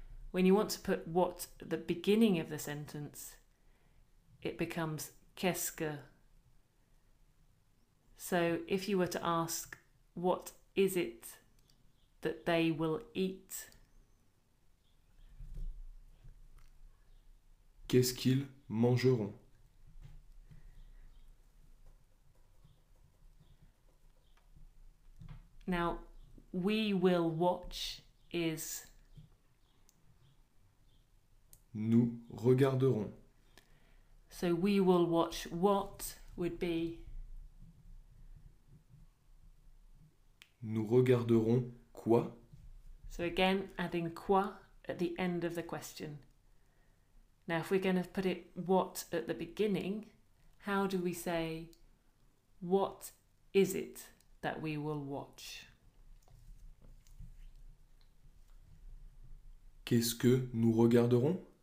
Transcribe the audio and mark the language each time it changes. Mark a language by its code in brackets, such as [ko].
[en] When you want to put what at the beginning of the sentence, it becomes qu'est-ce que. So if you were to ask, what is it that they will eat? [fr] Qu'est-ce qu'ils mangeront? [en] Now, we will watch is... [fr] Nous regarderons. [en] So we will watch what would be... [fr] Nous regarderons quoi? [en] So again, adding quoi at the end of the question. Now, if we're going to put it what at the beginning, how do we say what is it that we will watch? [fr] Qu'est-ce que nous regarderons?